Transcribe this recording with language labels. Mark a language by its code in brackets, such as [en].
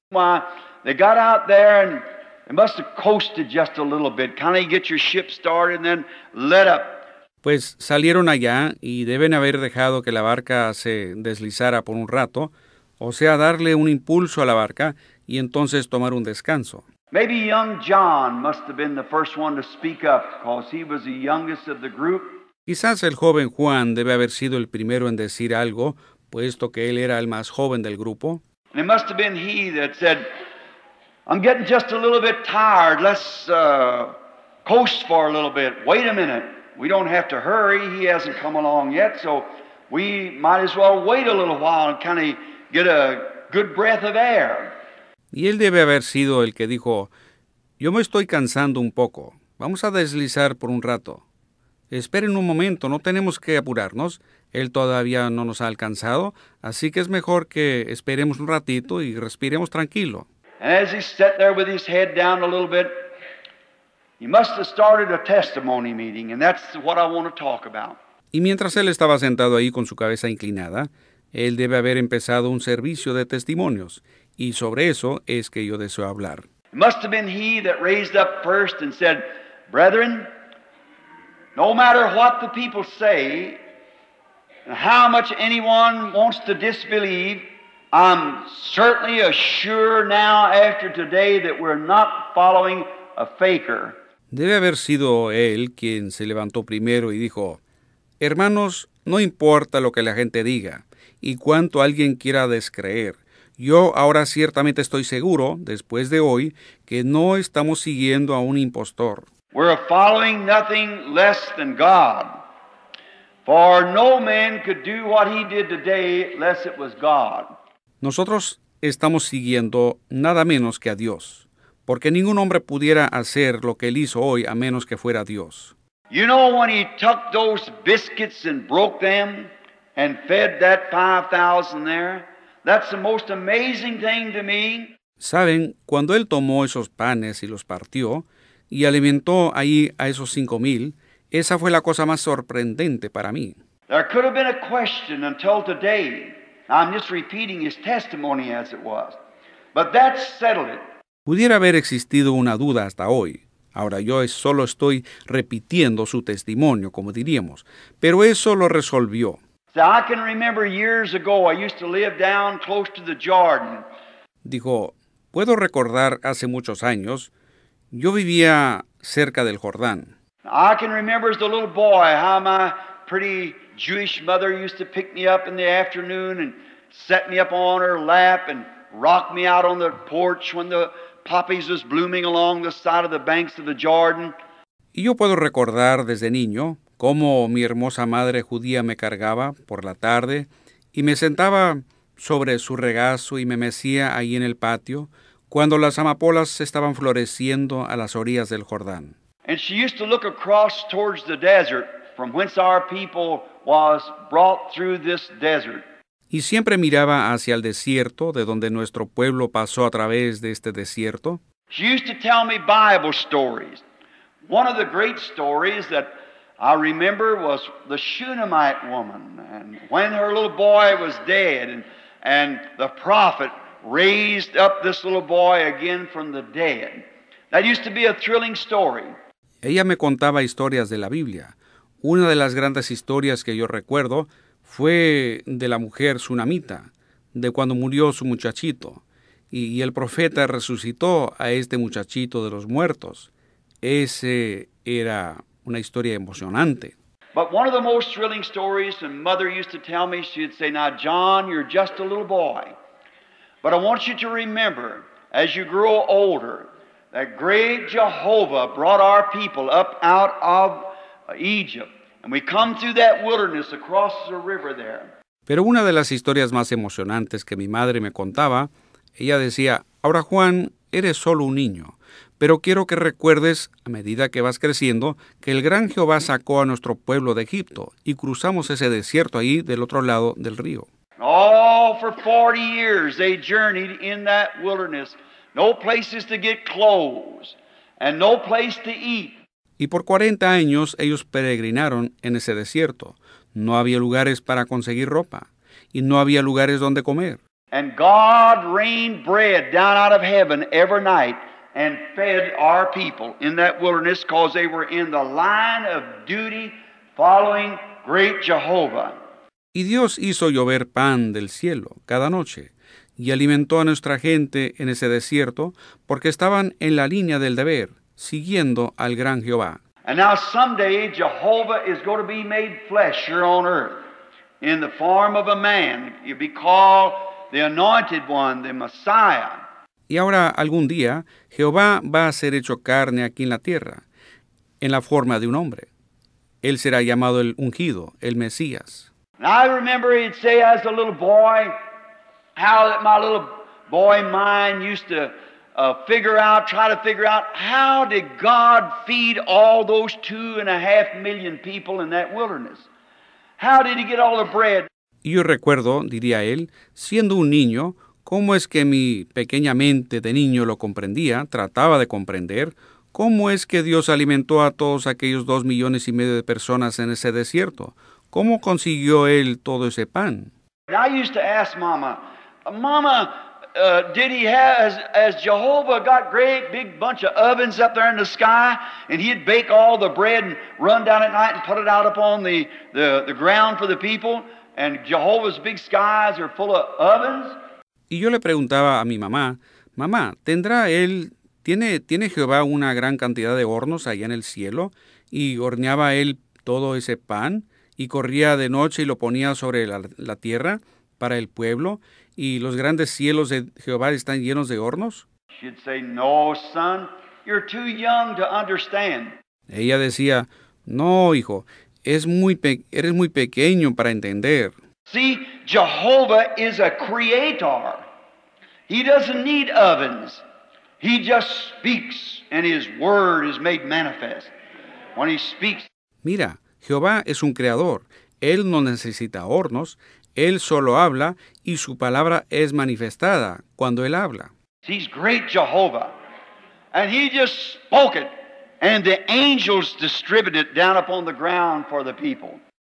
[en] Well, they got out there and they must have coasted just a little bit. Kind of get your ship started and then let up. [es] Pues salieron allá y deben haber dejado que la barca se deslizara por un rato, o sea, darle un impulso a la barca y entonces tomar un descanso. [en] Maybe young John must have been the first one to speak up because he was the youngest of the group. [es] Quizás el joven Juan debe haber sido el primero en decir algo, puesto que él era el más joven del grupo. [en] And it must have been he that said, I'm getting just a little bit tired. Let's coast for a little bit. Wait a minute. We don't have to hurry. He hasn't come along yet, so we might as well wait a little while and kind of get a good breath of air. [es] Y él debe haber sido el que dijo, yo me estoy cansando un poco. Vamos a deslizar por un rato. Esperen un momento, no tenemos que apurarnos. Él todavía no nos ha alcanzado, así que es mejor que esperemos un ratito y respiremos tranquilo. [en] And as he sat there with his head down a little bit, he must have started a testimony meeting, and that's what I want to talk about. [es] Y mientras él estaba sentado ahí con su cabeza inclinada, él debe haber empezado un servicio de testimonios, y sobre eso es que yo deseo hablar. [en] It must have been he that raised up first and said, brethren, no matter what the people say, How much anyone wants to disbelieve, I'm certainly assured now after today that we're not following a faker. [es] Debe haber sido él quien se levantó primero y dijo, hermanos, no importa lo que la gente diga y cuánto alguien quiera descreer. Yo ahora ciertamente estoy seguro, después de hoy, que no estamos siguiendo a un impostor. [en] We're following nothing less than God. For no man could do what he did today unless it was God. [es] Nosotros estamos siguiendo nada menos que a Dios, porque ningún hombre pudiera hacer lo que él hizo hoy a menos que fuera Dios. [en] You know when he took those biscuits and broke them and fed that 5,000 there? That's the most amazing thing to me. [es] ¿Saben cuando él tomó esos panes y los partió y alimentó ahí a esos 5,000? Esa fue la cosa más sorprendente para mí. [en] There could have been a question until today. I'm just repeating his testimony as it was. But that settled it. [es] Pudiera haber existido una duda hasta hoy. Ahora yo solo estoy repitiendo su testimonio, como diríamos. Pero eso lo resolvió. [en] So I can remember years ago, I used to live down close to the Jordan. [es] Dijo, puedo recordar hace muchos años, yo vivía cerca del Jordán. [en] I can remember as a little boy how my pretty Jewish mother used to pick me up in the afternoon and set me up on her lap and rock me out on the porch when the poppies was blooming along the side of the banks of the Jordan. [es] Y yo puedo recordar desde niño cómo mi hermosa madre judía me cargaba por la tarde y me sentaba sobre su regazo y me mecía ahí en el patio cuando las amapolas estaban floreciendo a las orillas del Jordán. [en] And she used to look across towards the desert from whence our people was brought through this desert. [es] Y siempre miraba hacia el desierto de donde nuestro pueblo pasó a través de este desierto. [en] She used to tell me Bible stories. One of the great stories that I remember was the Shunammite woman. And when her little boy was dead and the prophet raised up this little boy again from the dead. That used to be a thrilling story. [es] Ella me contaba historias de la Biblia. Una de las grandes historias que yo recuerdo fue de la mujer sunamita, de cuando murió su muchachito, y el profeta resucitó a este muchachito de los muertos. Ese era una historia emocionante. [en] But one of the most thrilling stories, and mother used to tell me, she'd say, now John, you're just a little boy, but I want you to remember, as you grow older, that great Jehovah brought our people up out of Egypt. And we come through that wilderness across the river there. [es] Pero una de las historias más emocionantes que mi madre me contaba, ella decía, ahora Juan, eres solo un niño, pero quiero que recuerdes, a medida que vas creciendo, que el gran Jehová sacó a nuestro pueblo de Egipto y cruzamos ese desierto ahí del otro lado del río. [en] Oh, for 40 years they journeyed in that wilderness. No places to get clothes and no place to eat. [es] Y por 40 años ellos peregrinaron en ese desierto. No había lugares para conseguir ropa y no había lugares donde comer. [en] And God rained bread down out of heaven every night and fed our people in that wilderness because they were in the line of duty following great Jehovah. [es] Y Dios hizo llover pan del cielo cada noche. Y alimentó a nuestra gente en ese desierto porque estaban en la línea del deber, siguiendo al gran Jehová. [en] And now someday Jehovah is going to be made flesh here on earth in the form of a man. He'll be called the Anointed One, the Messiah. [es] Y ahora algún día Jehová va a ser hecho carne aquí en la tierra, en la forma de un hombre. Él será llamado el Ungido, el Mesías. [en] And I remember he'd say as a little boy, how that my little boy mind used to try to figure out how did God feed all those 2.5 million people in that wilderness? How did he get all the bread? [es] Yo recuerdo, diría él, siendo un niño, cómo es que mi pequeña mente de niño lo comprendía, trataba de comprender, cómo es que Dios alimentó a todos aquellos 2.5 millones de personas en ese desierto. ¿Cómo consiguió él todo ese pan? [en] And I used to ask Mama, Mama, did he have, as Jehovah got great big bunch of ovens up there in the sky, and he'd bake all the bread and run down at night and put it out upon the ground for the people, and Jehovah's big skies are full of ovens? [es] Y yo le preguntaba a mi mamá, mamá, ¿tendrá él, tiene Jehová una gran cantidad de hornos allá en el cielo? Y horneaba él todo ese pan y corría de noche y lo ponía sobre la tierra para el pueblo. ¿Y los grandes cielos de Jehová están llenos de hornos? [en] She'd say, no, son, you're too young to understand. [es] Ella decía, no, hijo, eres muy pequeño para entender. [en] See, Jehovah is a creator. He doesn't need ovens. He just speaks, and his word is made manifest when he speaks. [es] Mira, Jehová es un creador. Él no necesita hornos. Él solo habla, y su palabra es manifestada cuando él habla. [en] He's great Jehovah, and he just spoke it, and the angels distributed it down upon the ground for the people.